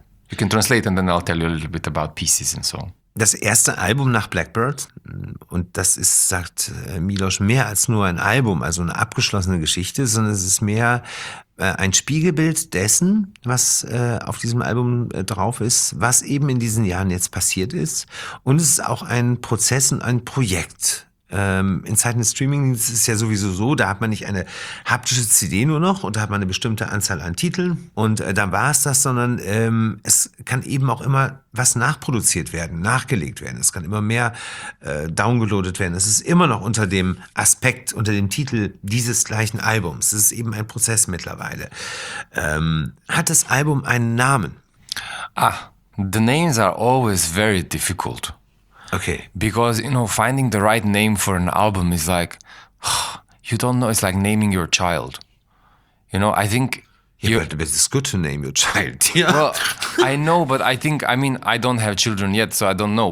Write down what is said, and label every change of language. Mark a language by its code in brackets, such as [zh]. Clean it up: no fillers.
[en] You can translate and then I'll tell you a little bit about pieces and so on. [de] Das erste Album nach Blackbird, und das ist, sagt Milos, mehr als nur ein Album, also eine abgeschlossene Geschichte, sondern es ist mehr ein Spiegelbild dessen, was auf diesem Album drauf ist, was eben in diesen Jahren jetzt passiert ist. Und es ist auch ein Prozess und ein Projekt. In Zeiten des Streamings ist es ja sowieso so, da hat man nicht eine haptische CD nur noch und da hat man eine bestimmte Anzahl an Titeln und dann war es das, sondern es kann eben auch immer was nachproduziert werden, nachgelegt werden. Es kann immer mehr downgeloadet werden. Es ist immer noch unter dem Aspekt, unter dem Titel dieses gleichen Albums. Es ist eben ein Prozess mittlerweile. Hat das Album einen Namen? [en] Ah, the names are always very difficult. Okay. Because, you know, finding the right name for an album is like, you don't know. It's like naming your child. You know, I think... Yeah, but it's good to name your child. Yeah. Well, I know, but I think, I mean, I don't have children yet, so I don't know.